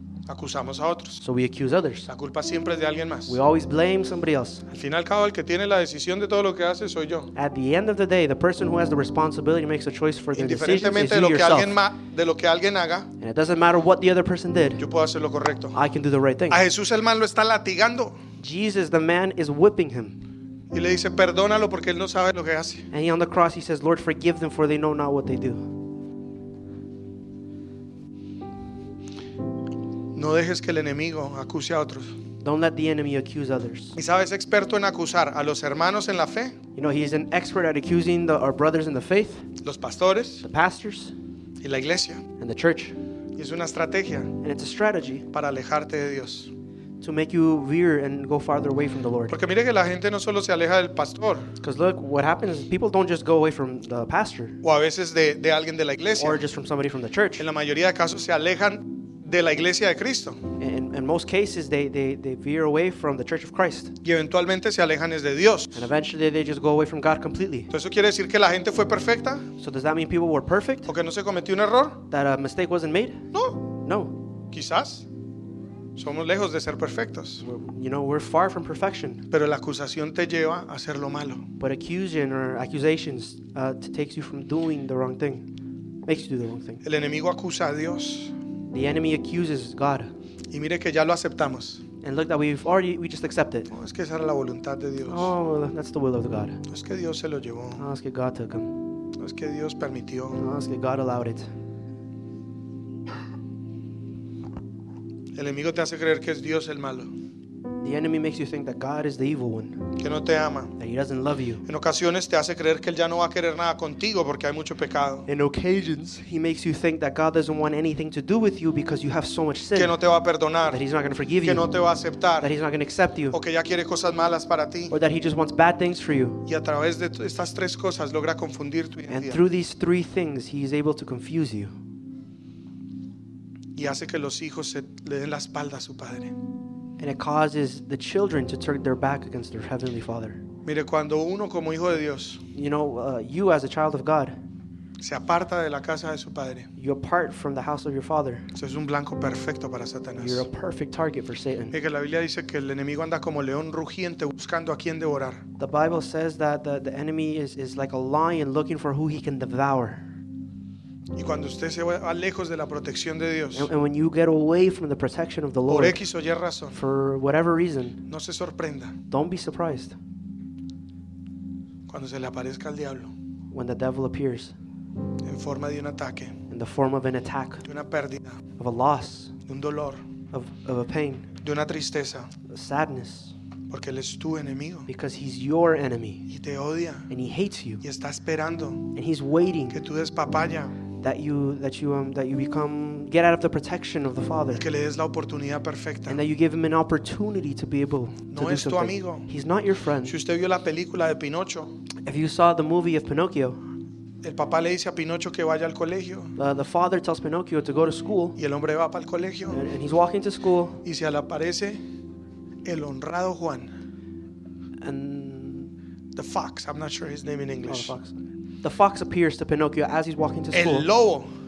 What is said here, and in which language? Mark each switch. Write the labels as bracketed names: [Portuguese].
[Spanish] Acusamos a otros. [English] So we accuse others. [Spanish] La culpa siempre es de alguien más. [English] We always blame somebody else. [Spanish] Al fin y al cabo, el que tiene la decisión de todo lo que hace soy yo. [English] At the end of the day, the person who has the responsibility makes a choice for their decisions is you yourself. [Spanish] De lo que alguien haga. [English] And it doesn't matter what the other person did. [Spanish] Yo puedo hacer lo correcto. [English] I can do the right thing. [Spanish] A Jesús el mal lo está latigando. [English] Jesus the man is whipping him. [Spanish] Y le dice, perdónalo porque él no sabe lo que hace. [English] And on the cross he says, Lord, forgive them for they know not what they do. [Spanish] No dejes que el enemigo acuse a otros. [English] Don't let the enemy accuse others. [Spanish] ¿Y sabes, experto en acusar a los hermanos en la fe? [English] You know, he is an expert at accusing the, our brothers in the faith. [Spanish] Los pastores. [English] The pastors. [Spanish] Y la iglesia. [English] And the church. [Spanish] Y es una estrategia. [English] And it's a strategy. [Spanish] Para alejarte de Dios. [English] To make you veer and go farther away from the Lord. [Spanish] Porque mire que la gente no solo se aleja del pastor. [English] Because look, what happens is people don't just go away from the pastor. [Spanish] O a veces de alguien de la iglesia. [English] Or just from somebody from the church. [Spanish] En la mayoría de casos se alejan de la iglesia de Cristo. [English] In most cases, they veer away from the Church of Christ. [Spanish] Y eventualmente se alejan de Dios. [English] And eventually, they just go away from God completely. [Spanish] ¿Eso quiere decir que la gente fue perfecta? [English] So does that mean people were perfect? [Spanish] ¿O que no se cometió un error? [English] That a mistake wasn't made? [Spanish] No. [English] No. [Spanish] Quizás. Somos lejos de ser perfectos. [English] You know, we're far from perfection. [Spanish] Pero la acusación te lleva a hacer lo malo. [English] But accusations takes you from doing the wrong thing. Makes you do the wrong thing. [Spanish] El enemigo acusa a Dios. [English] The enemy accuses God. [Spanish] Y mire que ya lo aceptamos. [English] And look that we just accept it. [Spanish] Oh, es que esa era la voluntad de Dios. [English] Oh, that's the will of God. [Spanish] Es que Dios se lo llevó. [English] Oh, [Spanish] es que [English] God took him. [Spanish] Es que Dios permitió. [English] Oh, [Spanish] es que [English] God allowed it. [Spanish] El enemigo te hace creer que es Dios el malo. [English] The enemy makes you think that God is the evil one. [Spanish] Que no te ama. [English] That he doesn't love you. [Spanish] En ocasiones te hace creer que él ya no va a querer nada contigo porque hay mucho pecado. [English] In occasions, he makes you think that God doesn't want anything to do with you because you have so much sin. [Spanish] Que no te va a perdonar. [English] That he's not going to forgive [Spanish] que [English] you. [Spanish] Que no te va a aceptar. [English] That he's not going to accept you. [Spanish] O que ya quiere cosas malas para ti. [English] Or that he just wants bad things for you. [Spanish] Y a través de estas tres cosas logra confundir tu identidad. [English] And through these three things, he is able to confuse you. [Spanish] Y hace que los hijos se le den la espalda a su padre. [English] And it causes the children to turn their back against their heavenly father. [Spanish] Mire, cuando uno como hijo de Dios, [English] you know, you as a child of God, [Spanish] se aparta de la casa de su padre, [English] you apart from the house of your father, [Spanish] eso es un blanco perfecto para Satanás. [English] You're a perfect target for Satan. [Spanish] Mire, la Biblia dice que el enemigo anda como león rugiente buscando a quien devorar. [English] The Bible says that the enemy is like a lion looking for who he can devour. [Spanish] Y cuando usted se va lejos de la protección de Dios, [English] and when you get away from the protection of the Lord, [Spanish] por X o Y razón, [English] for whatever reason, [Spanish] no se sorprenda, [English] don't be surprised, [Spanish] cuando se le aparezca al diablo, [English] when the devil appears, [Spanish] en forma de un ataque, [English] in the form of an attack, [Spanish] de una pérdida, [English] of a loss, [Spanish] de un dolor, [English] of a pain, [Spanish] de una tristeza, [English] a sadness, [Spanish] porque él es tu enemigo. [English] Because he's your enemy. [Spanish] Y te odia. [English] And he hates you. [Spanish] Y está esperando. [English] And he's waiting. [Spanish] Que tú des papaya. [English] That you become get out of the protection of the Father. [Spanish] Y que le des la oportunidad perfecta. [English] And that you give him an opportunity to be able [Spanish] no [English] to do [Spanish] es tu [English] something. [Spanish] Amigo. [English] He's not your friend. [Spanish] Si usted vio la película de Pinocho. [English] If you saw the movie of Pinocchio. [Spanish] El papá le dice a Pinocho que vaya al colegio. [English] The father tells Pinocchio to go to school. [Spanish] Y el hombre va para el colegio. [English] And he's walking to school. [Spanish] Y se le aparece el honrado Juan. [English] And the fox, I'm not sure his name in English. Oh, the fox appears to Pinocchio as he's walking to school. [Spanish] El lobo.